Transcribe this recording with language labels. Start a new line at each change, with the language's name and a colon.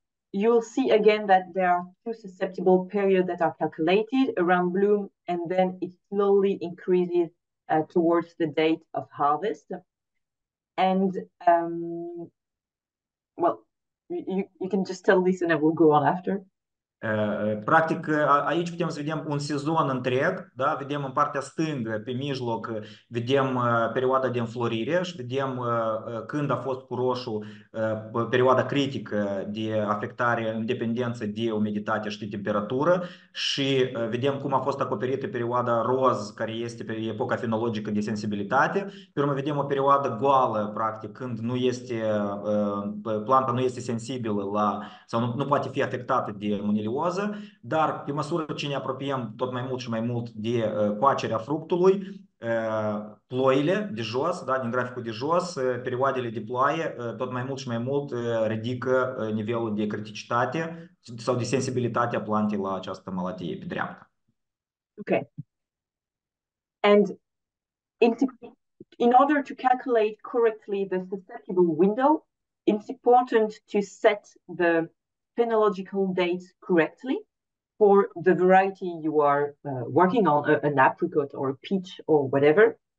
English: You'll see again that there are two susceptible periods that are calculated around bloom, and then it slowly increases towards the date of harvest. And well, you can just tell this and I will go on after.
Romanian: Practic, aici putem să vedem un sezon întreg, da? Vedem în partea stângă, pe mijloc, vedem perioada de înflorire și vedem când a fost cu roșu perioada critică de afectare în dependență de umiditate și de temperatură și vedem cum a fost acoperită perioada roz, care este pe epoca fenologică de sensibilitate. Pe urmă, vedem o perioadă goală, practic, când nu este, planta nu este sensibilă la, sau nu poate fi afectată de monilioză, dar pe măsură ce ne apropiem tot mai mult și mai mult de coacerea fructului, ploile de jos, da, din graficul de jos, perioadele de ploaie tot mai mult și mai mult ridică nivelul de criticitate sau de sensibilitate a plantei la această malatie pe dreapta.
English: Ok. And in order to calculate correctly the susceptible window, it's important to set the phenological dates correctly for the variety you are working on, an apricot or a peach or whatever.